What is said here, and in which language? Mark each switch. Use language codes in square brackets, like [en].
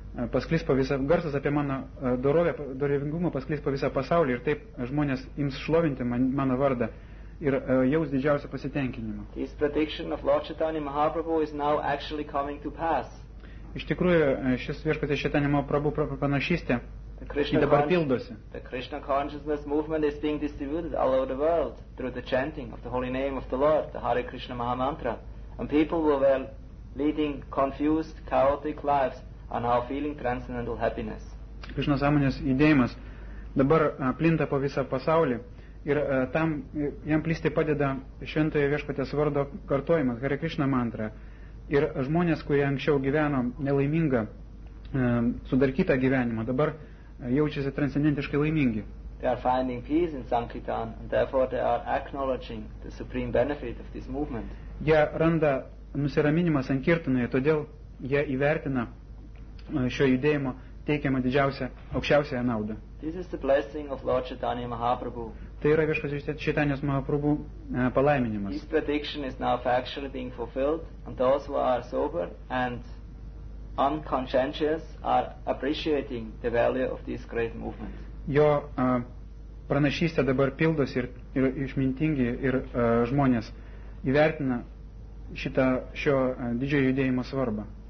[lt] Pasklis po visą garsas apie mano dorovę, dorovingumą pasklis po visą pasaulį ir taip žmonės ims šlovinti mano vardą. Ir jaus didžiausią pasitenkinimą. [en] His prediction of Lord Chaitanya Mahaprabhu is now actually coming to pass. [lt] Iš tikrųjų, šis Viešpaties Chaitanya Mahaprabhu pranašystė dabar pildosi. [en] The Krishna consciousness movement is being distributed all over the world through the chanting of the holy name of the Lord, the Hare Krishna Maha Mantra. And people who were leading confused, chaotic lives are now feeling transcendental happiness. [lt] Krishna sąmonės judėjimas dabar plinta po visą pasaulį. Ir tam jam plisti padeda šventojo Viešpaties vardo kartojimas, Hare Krishna mantra. Ir žmonės, kurie anksčiau gyveno nelaimingą, sudarkytą gyvenimą, dabar jaučiasi transcendentiškai laimingi. [en] They are finding peace in Sankirtan, and therefore they are acknowledging the supreme benefit of this movement. [lt] Jie randa nusiraminimą Sankirtanoje, todėl jie įvertina šio judėjimo teikiamą didžiausią, aukščiausią naudą. [en] This is the blessing of Lord Chaitanya Mahaprabhu. [lt] Tai yra Viešpaties Chaitanyos Mahaprabhu palaiminimas. [en] His prediction is now factually being fulfilled, and those who are sober and unconscientious are appreciating the value of this great movement. [lt] Jo pranašystė dabar pildosi ir išmintingi ir žmonės įvertina šitą šio didžiojo judėjimo svarbą.